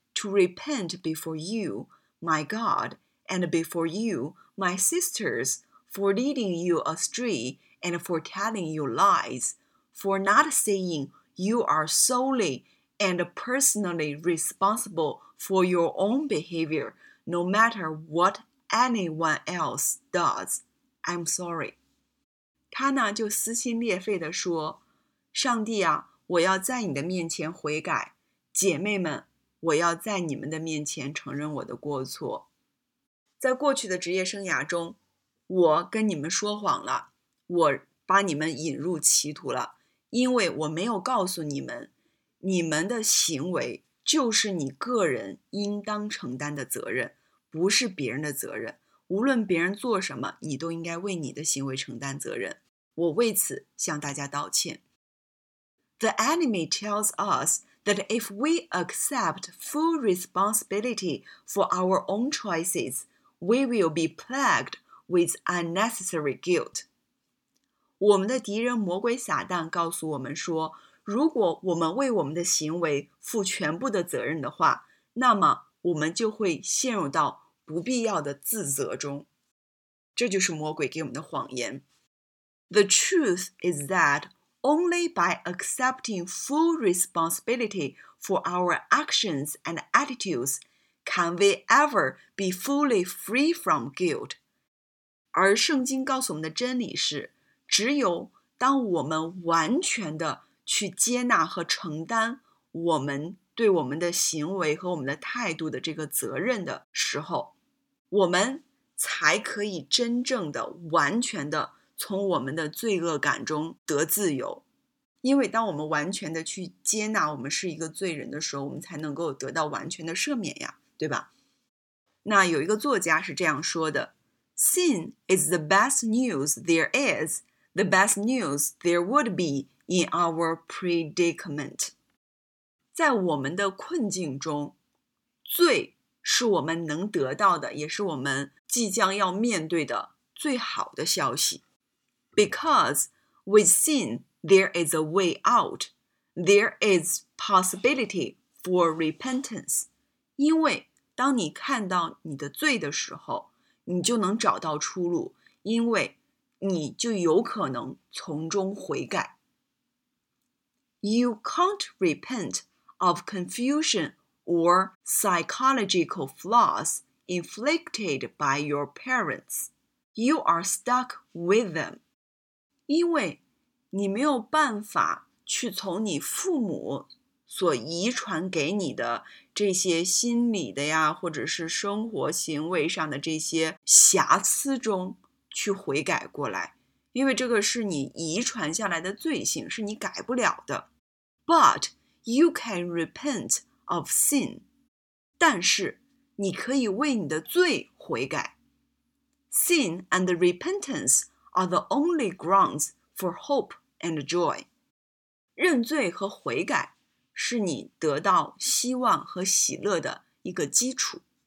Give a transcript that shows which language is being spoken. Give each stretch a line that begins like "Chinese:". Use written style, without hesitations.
English: to repent before you, my God, and before you, my sisters, for leading you astray and for telling you lies, for not saying you are solely and personally responsible for your own behavior, no matter what anyone else does. I'm sorry.
Chinese: 他呢就撕心裂肺地说，上帝啊，我要在你的面前悔改，姐妹们，我要在你们的面前承认我的过错。在过去的职业生涯中，我跟你们说谎了，我把你们引入歧途了，因为我没有告诉你们，你们的行为就是你个人应当承担的责任，不是别人的责任。无论别人做什么，你都应该为你的行为承担责任。我为此向大家道歉。
English: The enemy tells us that if we accept full responsibility for our own choices, we will be plagued with unnecessary guilt.
Chinese: 我们的敌人魔鬼撒旦告诉我们说，如果我们为我们的行为负全部的责任的话，那么我们就会陷入到不必要的自责中。这就是魔鬼给我们的谎言。
English: The truth is that only by accepting full responsibility for our actions and attitudes can we ever be fully free from guilt.
Chinese: 而圣经告诉我们的真理是，只有当我们完全的去接纳和承担我们对我们的行为和我们的态度的这个责任的时候，我们才可以真正的完全的从我们的罪恶感中得自由。因为当我们完全的去接纳我们是一个罪人的时候，我们才能够得到完全的赦免呀，对吧？那有一个作家是这样说的，
English: Sin is the best news there is, the best news there would be in our predicament.
Chinese: 在我们的困境中，罪是我们能得到的，也是我们即将要面对的最好的消息。
English: Because with sin, there is a way out. There is possibility for repentance.
Chinese: 因为当你看到你的罪的时候，你就能找到出路，因为你就有可能从中悔改。
English: You can't repent of confusion or psychological flaws inflicted by your parents. You are stuck with them.
Chinese: 因为你没有办法去从你父母所遗传给你的这些心理的呀，或者是生活行为上的这些瑕疵中去悔改过来。因为这个是你遗传下来的罪行，是你改不了的。
English: But you can repent of sin.
Chinese: 但是你可以为你的罪悔改。
English: Sin and repentance are the only grounds for hope and joy.
Chinese: 认罪和悔改是你得到希望和喜乐的一个基础。